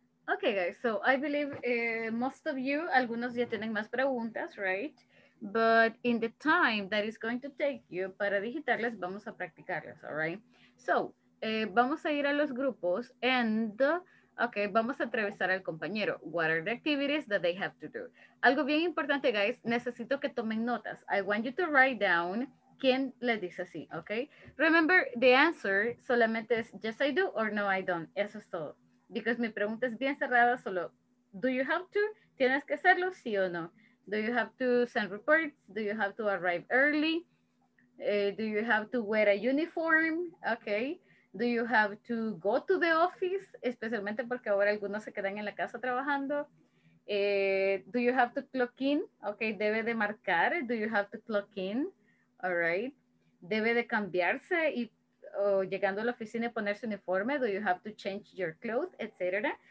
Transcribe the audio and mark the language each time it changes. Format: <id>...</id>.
<en>Okay, guys, so I believe most of you,</en> <es>algunos ya tienen más preguntas,</es> <en>right? But in the time that is going to take you,</en> <es>para digitarles, vamos a practicarlas,</es> <en>all right?</en> <es>So, vamos a ir a los grupos and, okay, vamos a atravesar al compañero.</es> <en>What are the activities that they have to do?</en> <es>Algo bien importante, guys, necesito que tomen notas.</es> <en>I want you to write down</en> <es>quién le dice así,</es> <en>okay? Remember, the answer</en> <es>solamente es</es> <en>yes, I do or no, I don't.</en> <es>Eso es todo. Because mi pregunta es bien cerrada, solo,</es> <en>do you have to?</en> <es>¿Tienes que hacerlo? ¿Sí o no?</es> <en>Do you have to send reports? Do you have to arrive early? Do you have to wear a uniform? Okay. Do you have to go to the office?</en> <es>Especialmente porque ahora algunos se quedan en la casa trabajando.</es> <en>Do you have to clock in? Okay,</en> <es>debe de marcar.</es> <en>Do you have to clock in? All right.</en> <es>Debe de cambiarse y... o llegando a la oficina y ponerse uniforme,</es> <en>do you have to change your clothes,</en> <es>etc.</es>